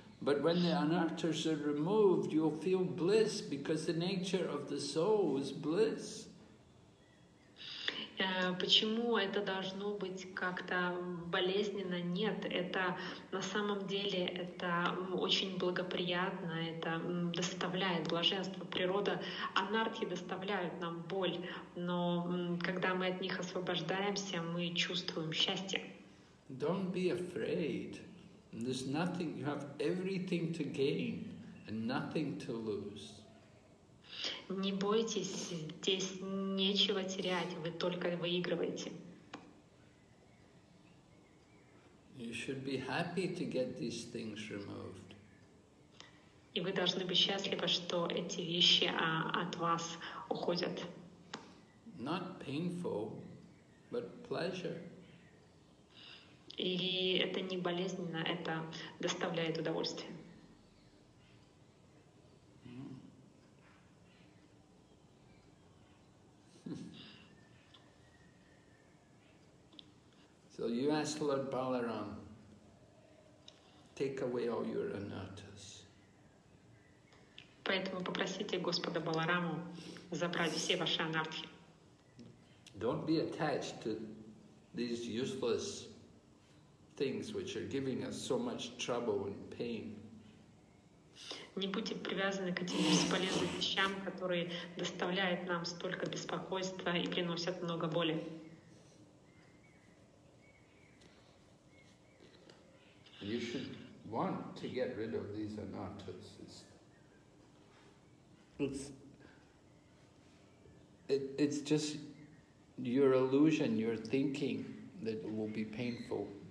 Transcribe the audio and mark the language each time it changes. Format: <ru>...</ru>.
<en>But when the anarthas are removed, you'll feel bliss because the nature of the soul is bliss.</en> <ru>Почему это должно быть как-то болезненно? Нет, это на самом деле это очень благоприятно, это доставляет блаженство. Природа анархии доставляют нам боль, но когда мы от них освобождаемся, мы чувствуем счастье.</ru> <en>Don't be afraid. There's nothing, you have everything to gain and nothing to lose.</en> <ru>Не бойтесь, здесь нечего терять, вы только выигрываете.</ru> <en>You should be happy to get these things removed.</en> <ru>И вы должны быть счастливы, что эти вещи от вас уходят.</ru> <en>Not painful, but pleasure.</en> <ru>И это не болезненно, это доставляет удовольствие.</ru> <en>So you ask Lord Balaram, take away all your anarthas.</en> <ru>По поэтому попросите Господа Балараму забрать все ваши анартхи.</ru> <en>Don't be attached to these useless things which are giving us so much trouble and pain.</en> <ru>Не будьте привязаны к этим бесполезным вещам, которые доставляют нам столько беспокойства и приносят много боли.</ru> <en>You should want to get rid of these anarthas. It's just your illusion, your thinking that it will be painful.</en>